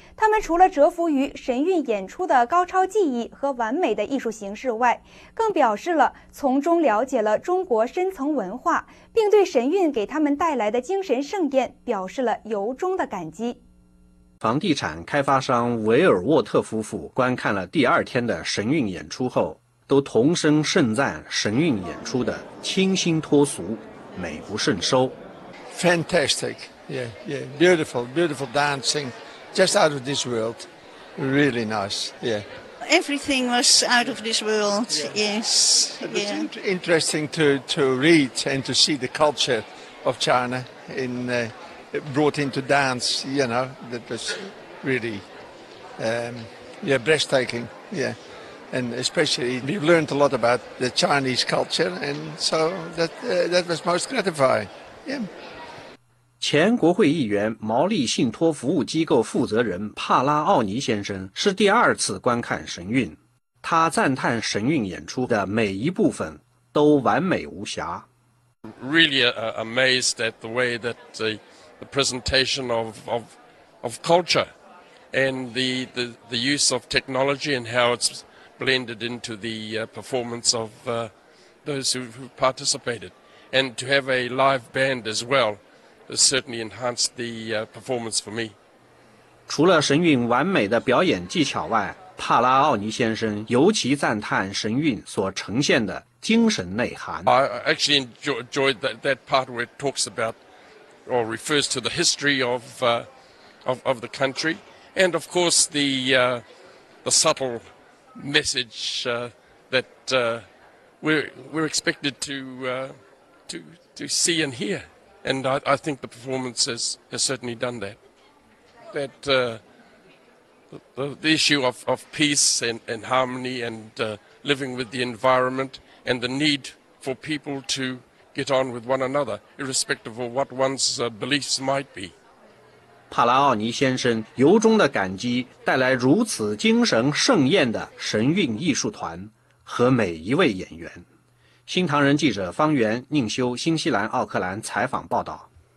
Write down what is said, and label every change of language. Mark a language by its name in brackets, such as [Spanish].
[Chinese] 他们除了折服于神韵演出的高超技艺和完美的艺术形式外，更表示了从中了解了中国深层文化，并对神韵给他们带来的精神盛宴表示了由衷的感激。房地产开发商维尔沃特夫妇观看了第二天的神韵演出后，都同声盛赞神韵演出的清新脱俗、美不胜收。 [English] Fantastic, yeah, beautiful dancing, just out of this world, really nice, yeah. Everything was out of this world, yes. It was interesting to read and to see the culture of China in brought into dance, you know, that was really, breathtaking, yeah. And especially we learned a lot about the Chinese culture, and so that was most gratifying, yeah. [Chinese] 前国会议员、毛利信托服务机构负责人帕拉奥尼先生是第二次观看神韵，他赞叹神韵演出的每一部分都完美无瑕。 [English] Really amazed at the way that the presentation of culture and the use of technology and how it's blended into the performance of those who participated, and to have a live band as well has certainly enhanced the performance for me. [Chinese] 除了神韵完美的表演技巧外，帕拉奥尼先生尤其赞叹神韵所呈现的精神内涵。 [English] I actually enjoyed that part where it talks about or refers to the history of the country, and of course the subtle message that we're expected to see and hear, and I think the performance has certainly done that. That the issue of peace and harmony and living with the environment and the need for people to get on with one another, irrespective of what one's beliefs might be. [Chinese] 帕拉奥尼先生由衷地感激带来如此精神盛宴的神韵艺术团和每一位演员。新唐人记者方源、宁修，新西兰奥克兰采访报道。